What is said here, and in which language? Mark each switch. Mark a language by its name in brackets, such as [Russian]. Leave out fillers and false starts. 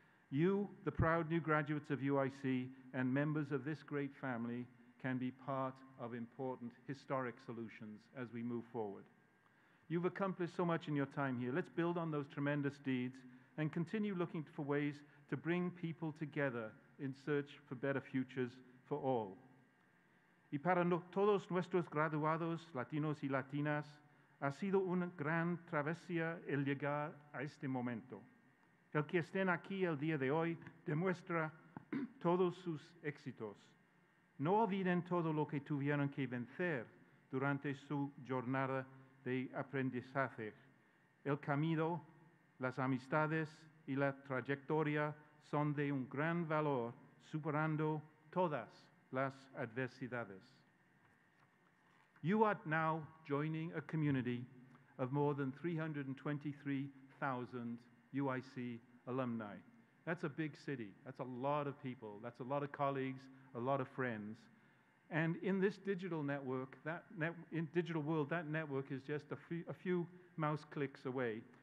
[English] You, the proud new graduates of UIC and members of this great family, can be part of important historic solutions as we move forward. You've accomplished so much in your time here. Let's build on those tremendous deeds and continue looking for ways to bring people together in search for better futures for all. [Spanish] Y para todos nuestros graduados latinos y latinas, ha sido una gran travesía el llegar a este momento. El que estén aquí el día de hoy demuestra todos sus éxitos. No olviden todo lo que tuvieron que vencer durante su jornada de aprendizaje. El camino, las amistades y la trayectoria son de un gran valor superando todas las adversidades. [English] You are now joining a community of more than 323,000 UIC alumni. That's a big city. That's a lot of people. That's a lot of colleagues, a lot of friends. And in this digital network, that network is just a few mouse clicks away.